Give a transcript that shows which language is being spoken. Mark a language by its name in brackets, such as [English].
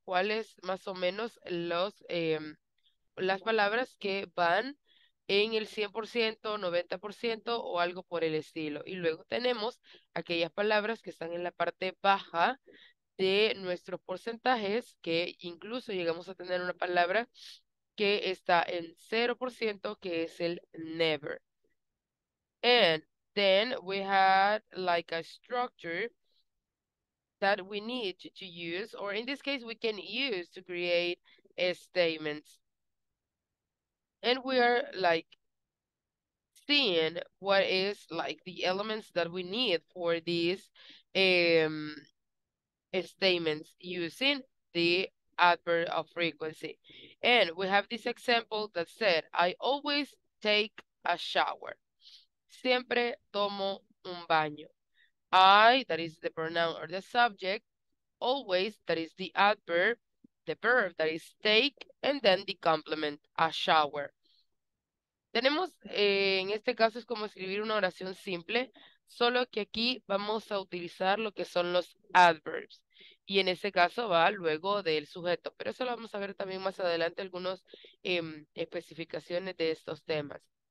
[Spanish] Cuáles más o menos las palabras que van en el 100%, 90% o algo por el estilo. Y luego tenemos aquellas palabras que están en la parte baja de nuestros porcentajes, que incluso llegamos a tener una palabra que está en 0%, que es el never. [English] And then we had like a structure that we need to use, or in this case, we can use to create a statement. And we are like seeing what is like the elements that we need for these statements using the adverb of frequency. And we have this example that said, I always take a shower. [Spanish] Siempre tomo un baño. [English] I, that is the pronoun or the subject, always, that is the adverb, the verb, that is take, and then the complement, a shower. [Spanish] Tenemos, en este caso, es como escribir una oración simple, solo que aquí vamos a utilizar lo que son los adverbs. Y en este caso va luego del sujeto, pero eso lo vamos a ver también más adelante, algunas especificaciones de estos temas.